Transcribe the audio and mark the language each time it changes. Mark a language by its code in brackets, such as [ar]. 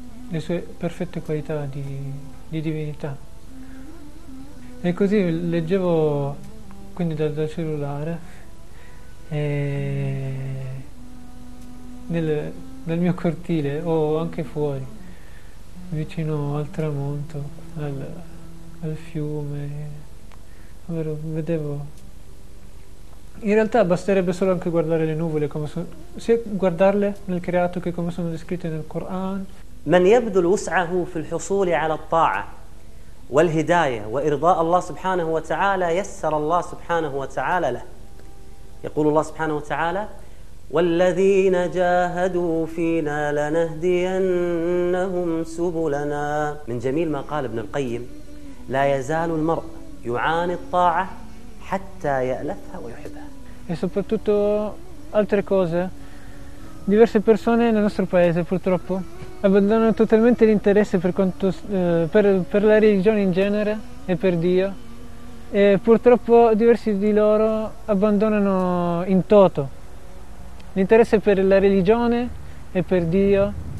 [it] le sue perfette qualità di divinità. E così leggevo quindi dal cellulare, e nel mio cortile o anche fuori, vicino al tramonto, al fiume, ovvero vedevo. In realtà basterebbe solo anche guardare le nuvole, come sono, sia guardarle nel creato che come sono descritte nel Coran. [ar] من يبذل وسعه في الحصول على الطاعة والهداية وإرضاء الله سبحانه وتعالى يسر الله سبحانه وتعالى له. يقول الله سبحانه وتعالى: والذين جاهدوا فينا لنهدينهم سبلنا. من جميل ما قال ابن القيم: لا يزال المرء يعاني الطاعة حتى يألفها ويحبها. [it] E soprattutto altre cose. Diverse persone nel nostro paese, purtroppo, abbandonano totalmente l'interesse per la religione in genere e per Dio, e purtroppo diversi di loro abbandonano in toto l'interesse per la religione e per Dio,